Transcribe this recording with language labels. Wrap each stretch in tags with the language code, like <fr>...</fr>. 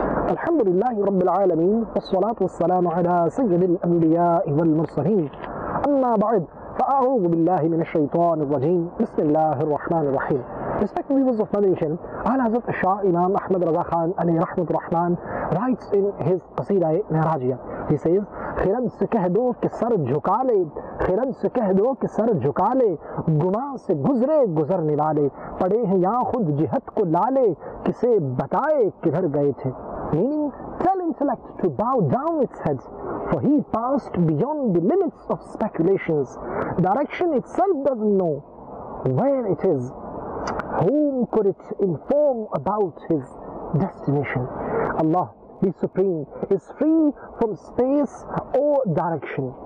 <ar>الحمد لله رب العالمين، والصلاة والسلام على سيد الأنبياء والمرسلين. أما بعد، فأعوذ بالله من الشيطان الرجيم. بسم الله الرحمن الرحيم.</ar> <en>Respect viewers of Foundation, Al-Hazrat Shah Imam Ahmad Raza Khan alayhi rahmat rahman writes in his Qasida Mi'rajiyah. He says,</en> <ur>خرد سے کہہ دو کہ سر جھکا لے، خرد سے کہہ دو کہ سر جھکا لے، گناہ سے گزرے گزرنے والے، پڑے ہیں یہاں خود جہت کو لالے، کسے بتائے کدھر گئے تھے.</ur> <en>Meaning, tell intellect to bow down its head, for he passed beyond the limits of speculations. Direction itself doesn't know where it is. Whom could it inform about his destination? Allah, the Supreme, is free from space or direction.</en>